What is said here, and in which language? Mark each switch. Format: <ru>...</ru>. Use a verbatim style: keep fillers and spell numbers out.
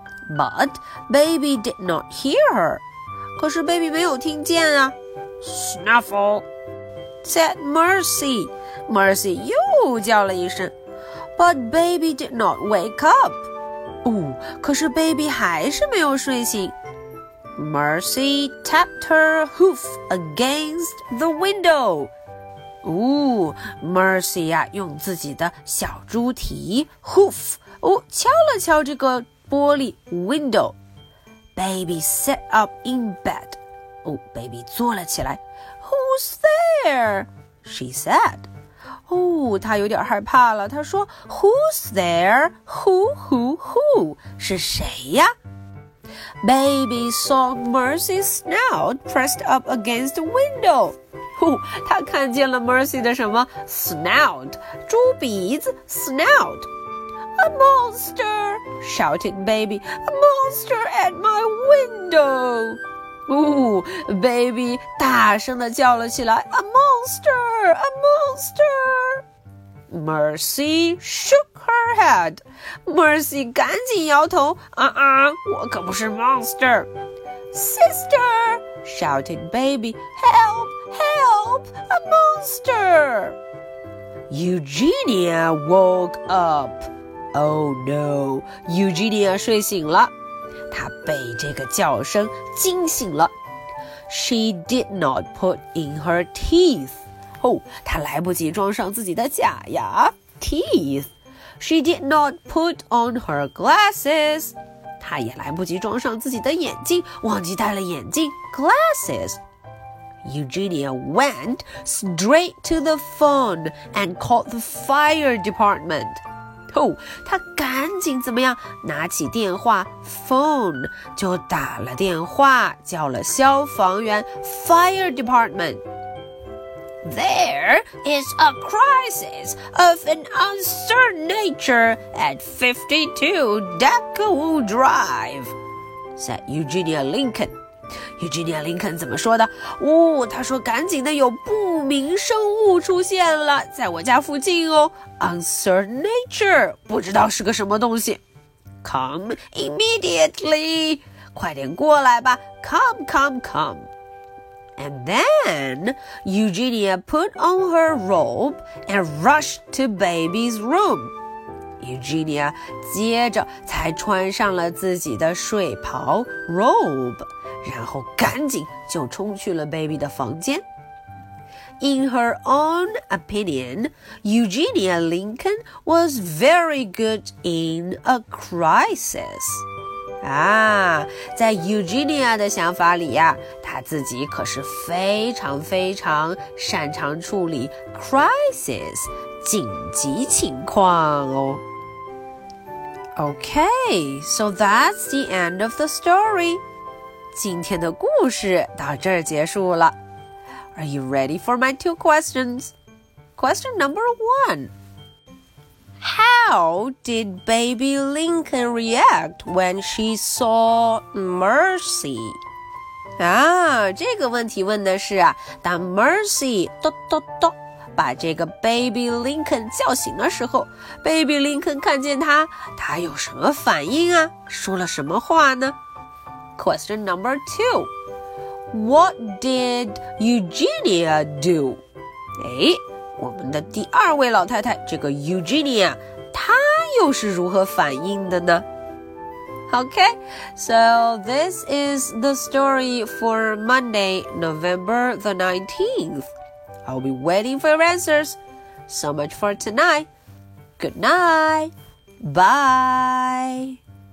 <en>But baby did not hear her.</en> <zh>可是 baby 没有听见啊。</zh> <en>Snuffle, said Mercy.</en> <zh>Mercy 又叫了一声。</zh> <en>But baby did not wake up.</en> <zh>哦，可是 baby 还是没有睡醒。</zh> <en>Mercy tapped her hoof against the window.</en> <zh>哦 ，Mercy 呀、啊，用自己的小猪蹄 hoof 哦敲了敲这个玻璃 window.</zh> <en>Baby sat up in bed.</en> <zh>哦 ，baby 坐了起来。</zh> <en>Who's there? She said.</en> <zh>哦，她有点害怕了。她说</zh> <en>Who's there? Who who who</en> <zh>是谁呀？</zh> <en>Baby saw Mercy's snout pressed up against the window.</en> <zh>哦，他看见了 Mercy 的什么 snout， 猪鼻子 snout.</zh> <en>A monster, shouted Baby. A monster at my window.</en> <zh>哦 ，Baby 大声地叫了起来 ，</zh> <en>A monster, a monster. Mercy shook. Head.</en> <zh>Mercy 赶紧摇头，啊啊，我可不是 monster.</zh> <en>Sister, shouted baby, help, help, a monster. Eugenia woke up. Oh no,</en> <zh>Eugenia 睡醒了，她被这个叫声惊醒了。</zh> <en>She did not put in her teeth.</en> <zh>哦，她来不及装上自己的假牙 teeth.</zh> <en>She did not put on her glasses.</en> <zh>她也来不及装上自己的眼镜，忘记戴了眼镜 glasses.</zh> <en>Eugenia went straight to the phone and called the fire department.</en> <zh>哦，她赶紧怎么样？拿起电话 phone 就打了电话，叫了消防员 fire department.</zh> <en>There is a crisis of an uncertain nature at fifty-two Dackewood Drive, said Eugenia Lincoln.</en> <zh>Eugenia Lincoln 怎么说的？哦，她说赶紧的，有不明生物出现了，在我家附近哦。</zh> <en>Uncertain nature，</en> <zh>不知道是个什么东西。</zh> <en>Come immediately，</en> <zh>快点过来吧。</zh> <en>Come, come, come. And then Eugenia put on her robe and rushed to baby's room.</en> <zh>Eugenia 接着才穿上了自己的睡袍 robe, 然后赶紧就冲去了 baby 的房间。</zh> <en>In her own opinion, Eugenia Lincoln was very good in a crisis.</en> <zh>啊，在 Eugenia 的想法里呀、啊，她自己可是非常非常擅长处理 crisis 紧急情况哦。</zh> <en>Okay, so that's the end of the story.</en> <zh>今天的故事到这儿结束了。</zh> <en>Are you ready for my two questions? Question number one. How did baby Lincoln react when she saw Mercy?</en> <zh>啊，这个问题问的是啊，当 Mercy 咚咚咚把这个 baby Lincoln 叫醒的时候， baby Lincoln 看见他，他有什么反应啊？说了什么话呢？</zh> <en>Question number two. What did Eugenia do?</en> <zh>诶我们的第二位老太太，这个 Eugenia， 她又是如何反应的呢？</zh> <en>Okay, so this is the story for Monday, November the nineteenth. I'll be waiting for your answers. So much for tonight. Good night. Bye.</en>